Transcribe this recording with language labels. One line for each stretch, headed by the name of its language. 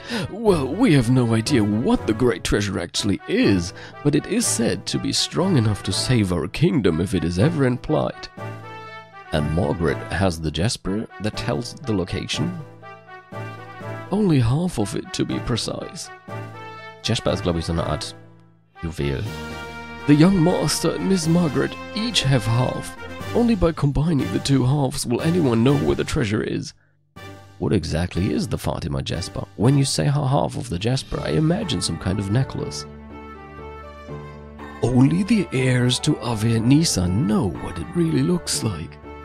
English: Well, we have no idea what the Great Treasure actually is, but it is said to be strong enough to save our kingdom if it is ever in plight. And Margaret has the Jasper that tells the location? Only half of it, to be precise.
German: Jasper ist, glaube ich, so eine Art Juwel.
English: The young master and Miss Margaret each have half. Only by combining the two halves will anyone know where the treasure is. What exactly is the Fatima Jasper? When you say her half of the Jasper, I imagine some kind of necklace. Only the heirs to Avianissa know what it really looks like.